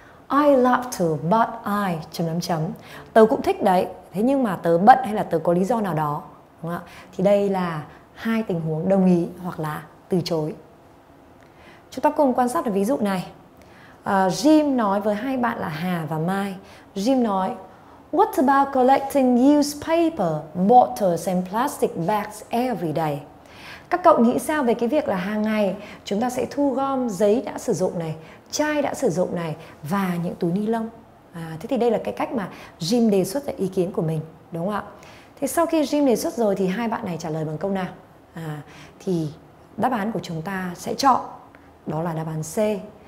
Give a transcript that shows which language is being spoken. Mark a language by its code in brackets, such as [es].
[en] I love to, but I... [vi] Tớ cũng thích đấy, thế nhưng mà tớ bận hay là tớ có lý do nào đó, đúng không? Thì đây là hai tình huống đồng ý hoặc là từ chối. Chúng ta cùng quan sát được ví dụ này. Jim nói với hai bạn là Hà và Mai. Jim nói, [en] what about collecting used paper, bottles and plastic bags every day? [vi] Các cậu nghĩ sao về cái việc là hàng ngày chúng ta sẽ thu gom giấy đã sử dụng này, chai đã sử dụng này và những túi ni lông? Thế thì đây là cái cách mà Jim đề xuất ý kiến của mình, đúng không ạ? Thế sau khi Jim đề xuất rồi thì hai bạn này trả lời bằng câu nào? Thì đáp án của chúng ta sẽ chọn đó là đáp án C.